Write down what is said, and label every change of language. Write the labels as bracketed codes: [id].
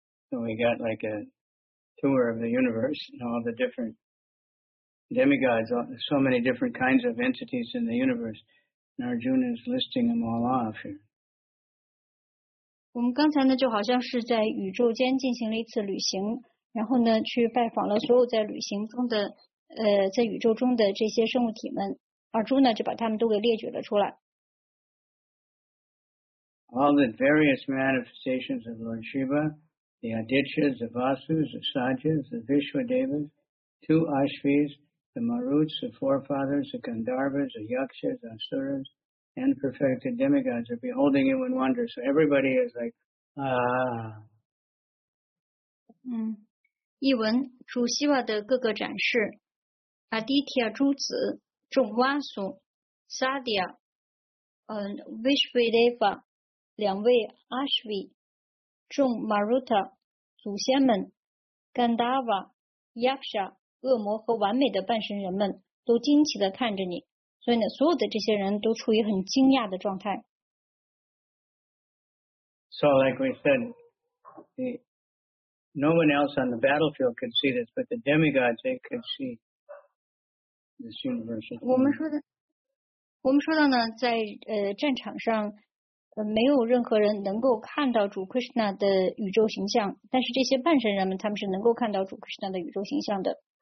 [en] So we got like a tour of the universe and all the different demigods, so many different kinds of entities in the universe. And Arjuna is listing them all off here. [zh] 我们刚才呢就好像是在宇宙间进行了一次旅行，然后呢去拜访了所有在旅行中的在宇宙中的这些生物体们，而朱呢就把他们都给列举了出来。 [en] All the various manifestations of Lord Shiva, the Adityas, the Vasus, the Sajas, the Vishwadevas, two Ashvis, the Maruts, the forefathers, the Gandharvas, the Yakshas, the Asuras, and perfected demigods are beholding him in wonder. So everybody is like, ah. [zh] 译文，主希瓦的各个展示，阿迪提亚诸子、众瓦苏、萨迪亚、维什维雷法、两位阿什维、众马鲁塔、祖先们、甘达瓦、亚克沙、恶魔和完美的半神人们，都惊奇地看着你。所以呢，所有的这些人都处于很惊讶的状态。 [en] So like we said, no one else on the battlefield could see this, but the demigods, they could see this universal. [zh] 我们说的呢，在战场上，没有任何人能够看到主 Krishna 的宇宙形象，但是这些半神人们，他们是能够看到主 Krishna 的宇宙形象的。